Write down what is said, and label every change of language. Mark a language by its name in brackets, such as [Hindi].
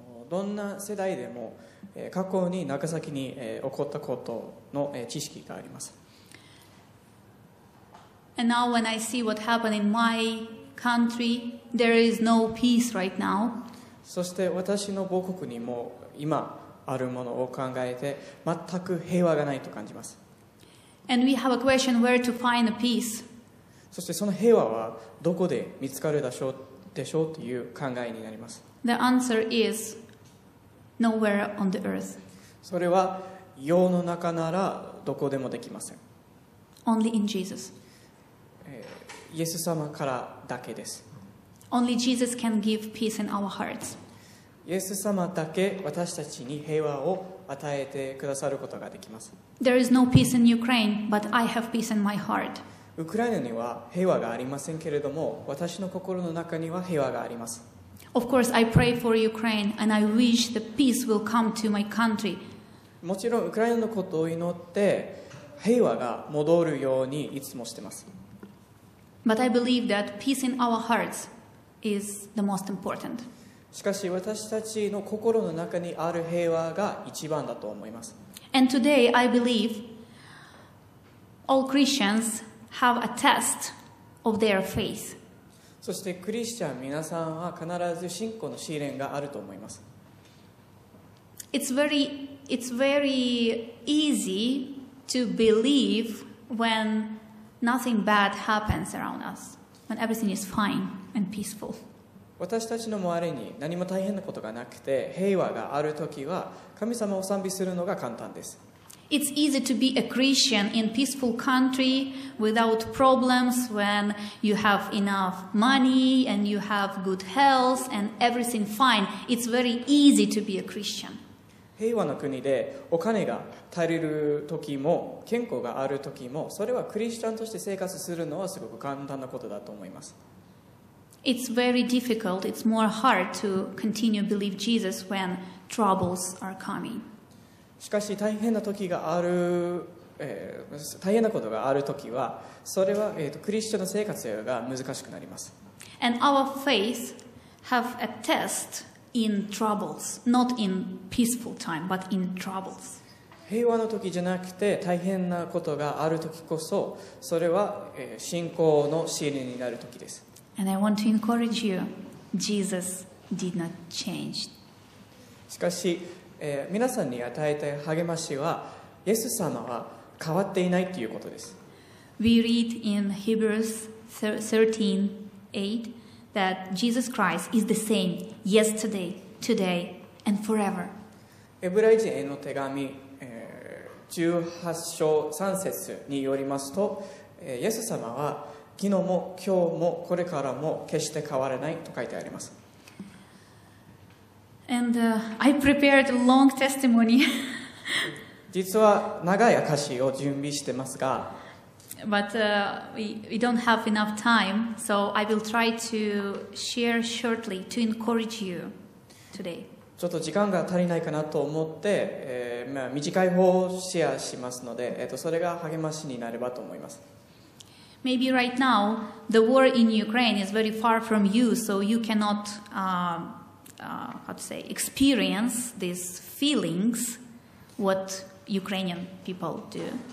[Japanese] どんな世代でも過去に長崎に起こったことの知識があります。 [English] And now when I see what happened in my country, there is no peace right now. [Japanese] そして私の母国にも今あるものを考えて全く平和がないと感じます。 [English] And we have a question where to find a peace. [Japanese] そしてその平和はどこで見つかるでしょうという考えになります。 [English] The answer is nowhere on the earth. [Japanese] それは世の中ならどこでもできません。 [English] Only in Jesus. [Japanese] イエス様からだけです。 [English] Only Jesus can give peace in our hearts. [Japanese] イエス様だけ私たちに平和を与えてくださることができます。 [English] There is no peace in Ukraine, but I have peace in my heart. [Japanese] ウクライナには平和がありませんけれども、私の心の中には平和があります。 [English] Of course, I pray for Ukraine, and I wish the peace will come to my country. [Japanese] もちろんウクライナのことを祈って平和が戻るようにいつもしてます。 [English] But I believe that peace in our hearts is the most important. [Japanese] しかし私たちの心の中にある平和が一番だと思います。 [English] And today I believe all Christians have a test of their faith. [Japanese] そしてクリスチャン皆さんは必ず信仰の試練があると思います。 [English] It's very easy to believe whenNothing bad happens around us, when everything is fine and peaceful. [Japanese] 私たちの周りに何も大変なことがなくて平和があるときは神様を賛美するのが簡単です。 [English] It's easy to be a Christian in peaceful country without problems when you have enough money and you have good health and everything fine. It's very easy to be a Christian. [Japanese] 平和の国でお金が足りる時も健康がある時もそれはクリスチャンとして生活するのはすごく簡単なことだと思います。 [English] It's very difficult. It's more hard to continue to believe Jesus when troubles are coming. [Japanese] しかし大変な時がある、大変なことがある時はそれは、クリスチャンの生活が難しくなります。 [English] And our faith have a testIn troubles, not in peaceful time, but in troubles. [Japanese] 平和の時じゃなくて大変なことがある時こそ、それは信仰の試練になる時です。 [English] And I want to encourage you, Jesus did not change. [Japanese] しかし、皆さんに与えた励ましは、イエス様は変わっていないということです。 [English] We read in Hebrews 13:8. That Jesus Christ is the same yesterday, today, and forever. [Japanese] エブライ人への手紙、18章3節によりますと、イエス様は昨日も今日もこれからも決して変わらないと書いてあります。 [English] And I prepared a long testimony. [Japanese] 実は長い証しを準備してますが、 [English] But we don't have enough time, so I will try to share shortly to encourage you today. [Japanese] ちょっと時間が足りないかなと思って、まあ、短い方をシェアしますので、それが励ましになればと思います。 [English] Maybe right now the war in Ukraine is very far from you, so you cannot, how to say, experience these feelings, what Ukrainian people do.